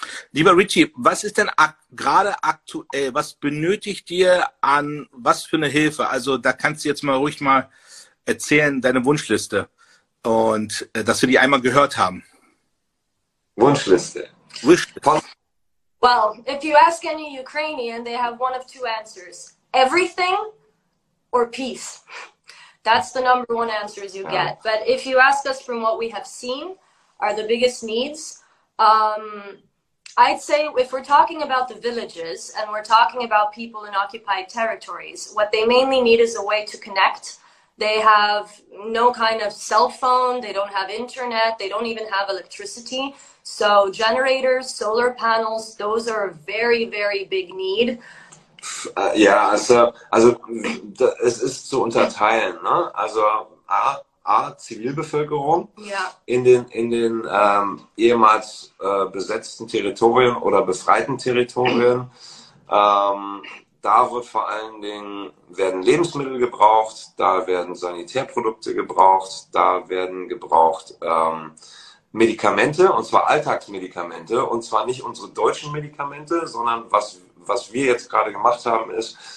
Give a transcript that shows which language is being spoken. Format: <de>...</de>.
<de>Lieber Richie, was ist denn ak gerade aktuell? Was benötigt ihr an was für eine Hilfe? Also da kannst du jetzt mal ruhig mal erzählen, deine Wunschliste und dass wir die einmal gehört haben. Wunschliste.</de> <en>Wishlist. Well, if you ask any Ukrainian, they have one of two answers. Everything or peace. That's the number one answers you</en> <de>Ja.</de> <en>get. But if you ask us from what we have seen, are the biggest needs, I'd say if we're talking about the villages and we're talking about people in occupied territories, what they mainly need is a way to connect. They have no kind of cell phone, they don't have internet, they don't even have electricity. So generators, solar panels, those are a very, very big need.</en> <de>Ja, also es ist zu unterteilen, ne? Also Zivilbevölkerung in den ehemals besetzten Territorien oder befreiten Territorien. Da wird vor allen Dingen werden Lebensmittel gebraucht, da werden Sanitärprodukte gebraucht, da werden gebraucht Medikamente, und zwar Alltagsmedikamente, und zwar nicht unsere deutschen Medikamente, sondern was wir jetzt gerade gemacht haben, ist,</de>